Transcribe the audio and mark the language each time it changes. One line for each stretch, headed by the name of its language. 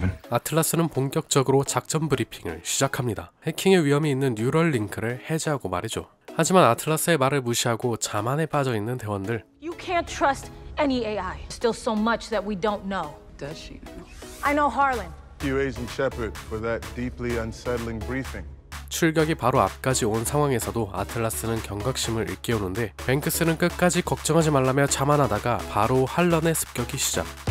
Korean: 아틀라스는 본격적으로 작전 브리핑을 시작합니다. 해킹의 위험이 있는 뉴럴 링크를 해제하고 말이죠. 하지만 아틀라스의 말을 무시하고 자만에 빠져있는 대원들.
English: You can't trust any AI. Still so much that we don't know. Does she? I know Harlan. You Agent Shepard for that deeply unsettling briefing.
Korean: 출격이 바로 앞까지 온 상황에서도 아틀라스는 경각심을 일깨우는데, 뱅크스는 끝까지 걱정하지 말라며 자만하다가 바로 할런의 습격이 시작.